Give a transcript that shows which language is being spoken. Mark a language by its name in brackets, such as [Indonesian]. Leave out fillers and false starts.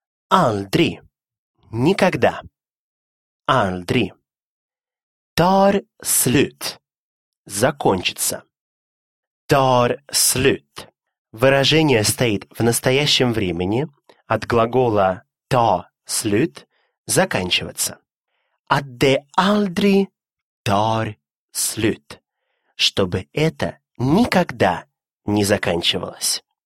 [Swedish] Aldrig, никогда. Aldrig. Tar slut, закончится. Tar slut. [Russian] Выражение стоит в настоящем времени от глагола ta slut – заканчиваться. [Swedish] At de aldrig tar slut. [Russian] Чтобы это никогда не заканчивалось.